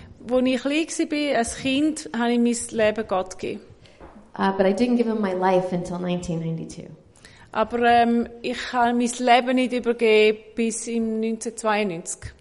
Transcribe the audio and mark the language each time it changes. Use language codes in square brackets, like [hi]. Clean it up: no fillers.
[de] Als ich klein war, als Kind, habe ich mein Leben Gott gegeben. [en] But I didn't give him my life until 1992. [de] Aber ich habe mein Leben nicht übergeben bis im 1992.